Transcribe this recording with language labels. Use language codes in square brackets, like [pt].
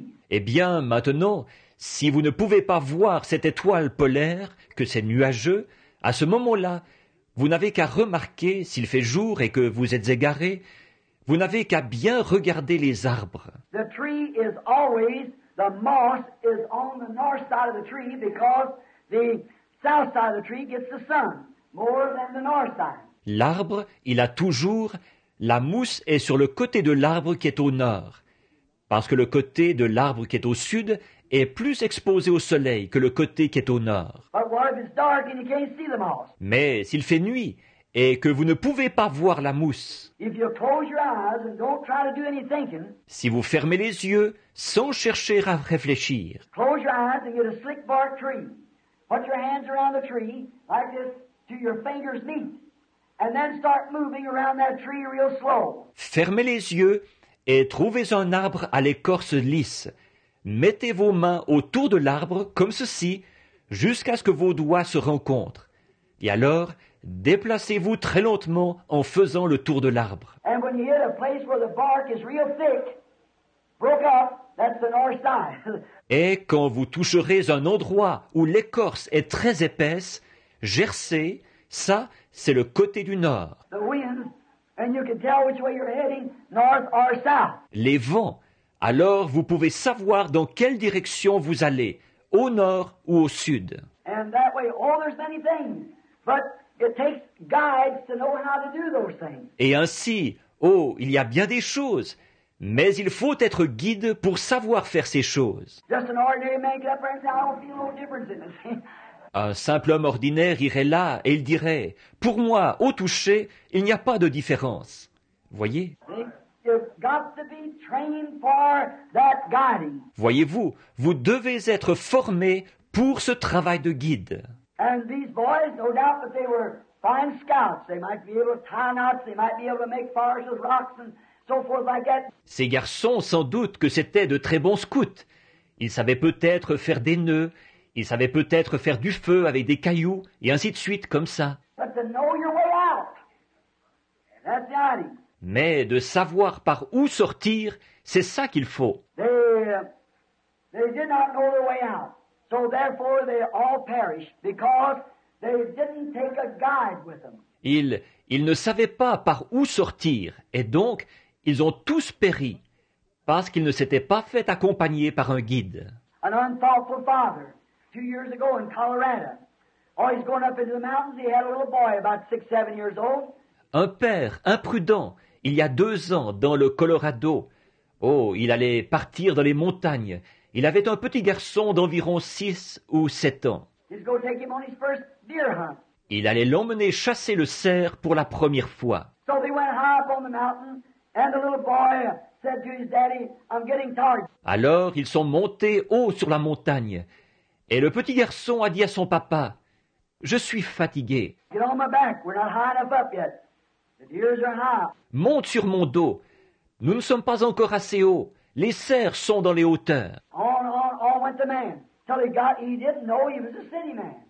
[fr] Eh bien, maintenant, si vous ne pouvez pas voir cette étoile polaire, que c'est nuageux, à ce moment-là, vous n'avez qu'à remarquer s'il fait jour et que vous êtes égaré, vous n'avez qu'à bien regarder les arbres. [en] The tree is always the moss is on the north side of the tree because the south side of the tree gets the sun more than the north side. [fr] L'arbre, il a toujours la mousse est sur le côté de l'arbre qui est au nord parce que le côté de l'arbre qui est au sud est plus exposé au soleil que le côté qui est au nord. [en] But what if it's dark and you can't see the moss? [fr] Mais s'il fait nuit et que vous ne pouvez pas voir la mousse. [en] If you close your eyes and don't try to do any thinking. [fr] Si vous fermez les yeux sans chercher à réfléchir. [en] Close your eyes and get a slick bark tree. Put your hands around the tree like this to your fingers meet. And then start moving around that tree real slow. [fr] Fermez les yeux et trouvez un arbre à l'écorce lisse. Mettez vos mains autour de l'arbre comme ceci jusqu'à ce que vos doigts se rencontrent. Et alors, déplacez-vous très lentement en faisant le tour de l'arbre. [en] And when you hit a place where the bark is real thick, broke up, that's the north side. [fr] Et quand vous toucherez un endroit où l'écorce est très épaisse, gercée, ça, c'est le côté du nord. [en] The wind, and you can tell which way you're heading, north or south. [fr] Les vents, alors vous pouvez savoir dans quelle direction vous allez, au nord ou au sud. [en] And that way, oh, there's many things, but it takes guides to know how to do those things. [fr] Et ainsi, oh, il y a bien des choses, mais il faut être guide pour savoir faire ces choses. [en] Just an ordinary man could up and say, I don't feel no difference in it. [fr] Un simple homme ordinaire irait là et il dirait, pour moi, au toucher, il n'y a pas de différence. Voyez? [en] You've got to be trained for that guiding. [fr] Voyez-vous, vous devez être formé pour ce travail de guide. [en] And these boys, no doubt that they were fine scouts. They might be able to tie knots, they might be able to make fires with rocks and so forth like that. [fr] Ces garçons, sans doute que c'était de très bons scouts. Ils savaient peut-être faire des nœuds, ils savaient peut-être faire du feu avec des cailloux, et ainsi de suite, comme ça. [en] But to know your way out, that's the idea. [fr] mais de savoir par où sortir, c'est ça qu'il faut. [en] They did not know the way out. So therefore they all perished because they didn't take a guide with them. [fr] Ils ne savaient pas par où sortir, et donc ils ont tous péri parce qu'ils ne s'étaient pas fait accompagner par un guide. [en] An unthoughtful father, 2 years ago in Colorado. Oh, he's going up into the mountains. He had a little boy about 6-7 years old. [fr] Un père imprudent, il y a 2 ans dans le Colorado. Oh, il allait partir dans les montagnes. Il avait un petit garçon d'environ 6 ou 7 ans. [en] He's going to take him on his first deer hunt. [fr] Il allait l'emmener chasser le cerf pour la première fois. [en] So they went high up on the mountain, and the little boy said to his daddy, "I'm getting tired." [fr] Alors ils sont montés haut sur la montagne, et le petit garçon a dit à son papa, "Je suis fatigué." [en] Get on my back. We're not high enough up yet. The deers are high. [fr] Monte sur mon dos. Nous ne sommes pas encore assez haut. Les cerfs sont dans les hauteurs. [en] On went the man. Till he didn't know he was a city man.